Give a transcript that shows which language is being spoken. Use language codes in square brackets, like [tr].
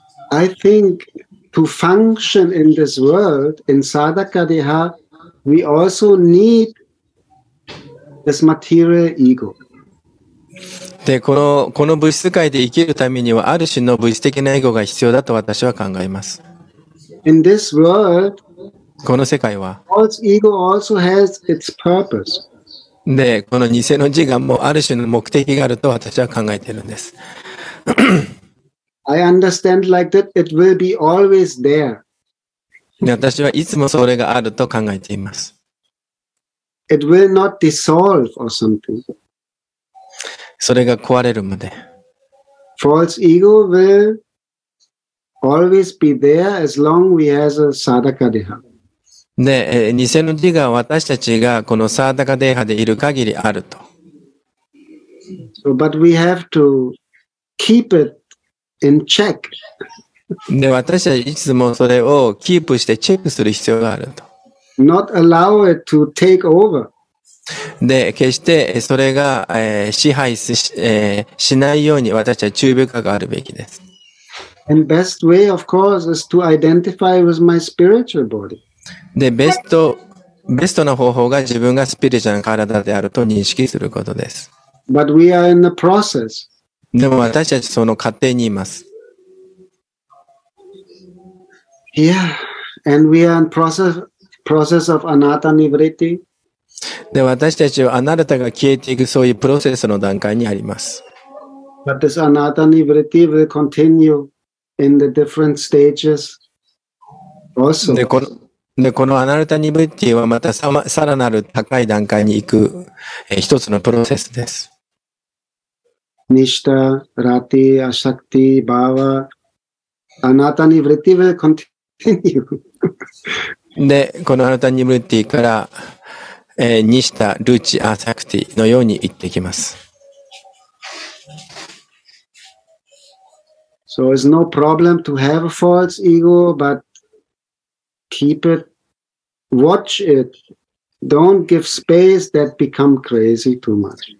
[en] I think to function in this world, in sadhaka deha, we also need this material ego. [ja] で、この物質界で生きるためには、ある種の物質的なエゴが必要だと私は考えます。 [en] In this world, [ja] この世界は、 [en] ego also has its purpose. [ja] で、この偽の自我もある種の目的があると私は考えているんです。 [en] I understand like that it will be always there. [ja] 私はいつもそれがあると考えています。 [en] It will not dissolve or something. [ja] それが壊れるまで。 [en] False ego will always be there as long we has a sadhaka deha. [ja] で、偽の自我は私たちがこのサーダカデーハでいる限りあると。 [en] So, but we have to keep it in check. [ja] で、私はいつもそれをキープしてチェックする必要があると。 [en] Not allow it to take over. [ja] で、決してそれが、支配 しないように私は注意深くあるべきです。 [en] And best way, of course, is to identify with my spiritual body. [ja] で、ベストな方法が自分がスピリチュアルな体であると認識することです。 [en] But we are in the process. [ja] でも私たちその過程にいます。 [en] Yeah, and we are in process of anatta nivritti. [ja] で私たちはあなたが消えていくそういうプロセスの段階にあります。 [en] But this anatta nivritti will continue in the different stages also. [ja] でこのアナルタニブリティはまたさらなる高い段階に行く一つのプロセスです。ニシタ、ラティ、アシャクティ、バーワ、アナタニブリティはコンティニュー。で、このアナルタニブリティから、ニシタ、ルチ、アシャクティのように行ってきます。 [en] So it's no problem to have a false ego, but keep it. Watch it. Don't give space that become crazy too much.